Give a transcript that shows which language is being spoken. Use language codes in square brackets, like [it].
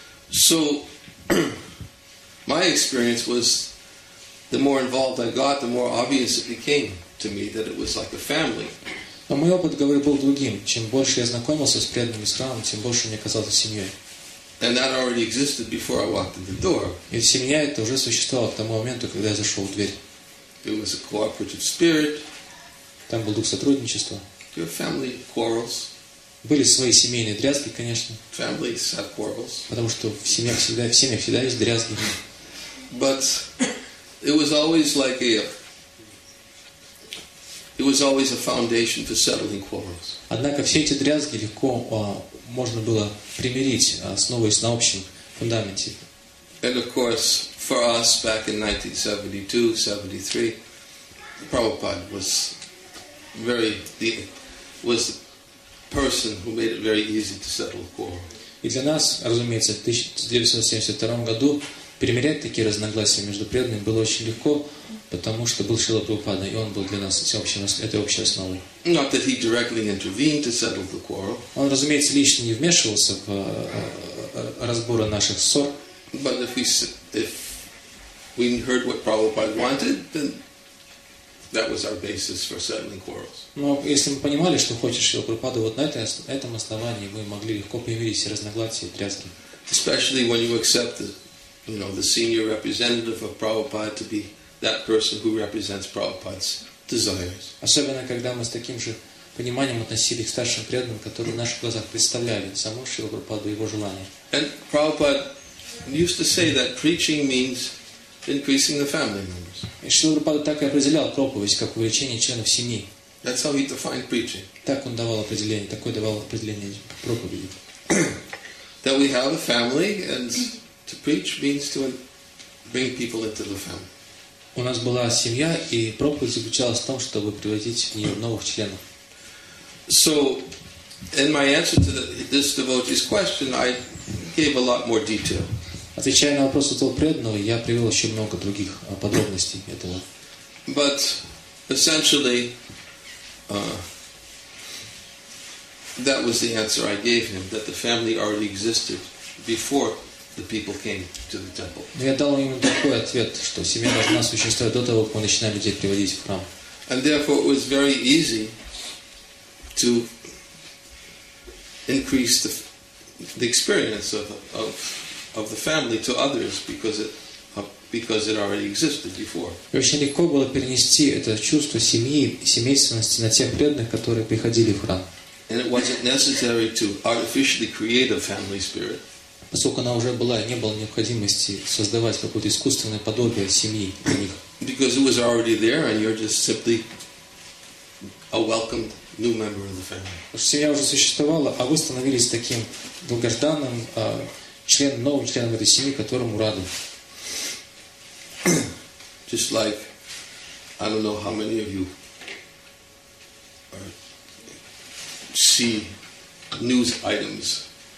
[en] So, my experience was, the more involved I got, the more obvious it became to me that it was like a family. [ru] Но мой опыт, говорю, был другим. Чем больше я знакомился с преданными с храмом, тем больше мне казалось семьей. [en] And that already existed before I walked in the door. [ru] И семья это уже существовала к тому моменту, когда я зашел в дверь. [en] It was a cooperative spirit. [ru] Там был дух сотрудничества. [en] There were family quarrels. [ru] Были свои семейные дрязги, конечно. [en] Families have quarrels. [ru] Потому что в семьях всегда есть дрязги. [en] But it was always like a foundation for settling quarrels. [ru] Однако все эти дрязги легко можно было примирить, основываясь на общем фундаменте. [en] And of course, for us back in 1972-73, Prabhupada was the person who made it very easy to settle quarrels. [ru] И для нас, разумеется, в 1972 году перемирять такие разногласия между преданными было очень легко, потому что был Шрила Прабхупада, и он был для нас этой общей основой. [en] Not that he directly intervened to settle the quarrel. [ru] Он, разумеется, лично не вмешивался в разборы наших ссор. [en] But if we heard what Prabhupada wanted, then that was our basis for settling quarrels. [ru] Но если мы понимали, что хочет Шрила Прабхупада, вот на этом основании мы могли легко примирить все разногласия и дрязги. [en] Especially when you accept the senior representative of Prabhupada to be that person who represents Prabhupada's desires. [ru] Особенно когда мы с таким же пониманием относились к старшим преданным, которые в наших глазах представляли саму Шрилу Прабхупаду и его желания. [en] And Prabhupada used to say that preaching means increasing the family members. [ru] И Шрила Прабхупада так и определял проповедь как увеличение членов семьи. [en] That's how he defined preaching. [ru] Так он давал определение, такое давал определение проповеди. [en] That we have a family and to preach means to bring people into the family. [ru] У нас была семья, и проповедь заключалась в том, чтобы приводить в нее новых членов. [en] So, in my answer to this devotee's question, I gave a lot more detail. [ru] Отвечая на вопрос этого преданного, я привел еще много других подробностей этого. [en] But essentially, that was the answer I gave him, that the family already existed before the people came to the temple. [ru] Но я дал ему такой ответ, что семья должна существовать до того, как мы начинаем людей приводить в храм. [en] And therefore it was very easy to increase the experience of the family to others because it already existed before. [ru] И очень легко было перенести это чувство семьи, семейственности на тех преданных, которые приходили в храм. [en] And it wasn't necessary to artificially create a family spirit. [ru] Поскольку она уже была, не было необходимости создавать какое-то искусственное подобие семьи для них. [en] Because it was already there, and you're just simply a welcomed new member of the family. [ru] Семья уже существовала, а вы становились таким долгожданным новым членом этой семьи, которому рады. [en] Just like, I don't know how many of you see news items.